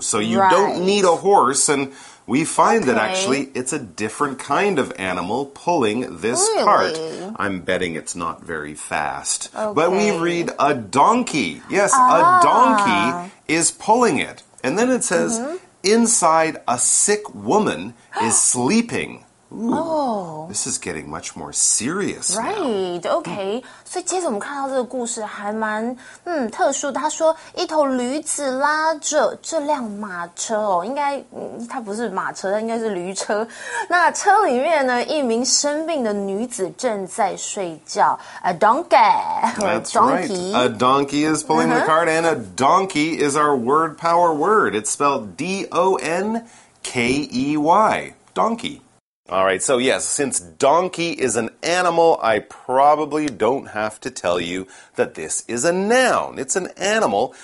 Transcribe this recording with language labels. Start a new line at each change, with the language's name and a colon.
English: So you don't need a horse, and we find that actually it's a different kind of animal pulling this cart. I'm betting it's not very fast. Okay. But we read a donkey. Yes, a donkey is pulling it. And then it says, inside, a sick woman is sleeping. Ooh, this is getting much more serious Right, now. Okay.
Chinese: So, 接着我们看到这个故事还蛮特殊的。他说，一头驴子拉着这辆马车哦，应该它不是马车，它应该是驴车。那车里面呢，一名生病的女子正在睡觉。
English: A donkey. That's right. A donkey is pulling the cart, and a donkey is our word power word. It's spelled D-O-N-K-E-Y. Donkey. All right, so yes, since donkey is an animal, I probably don't have to tell you that this is a noun. It's an animal.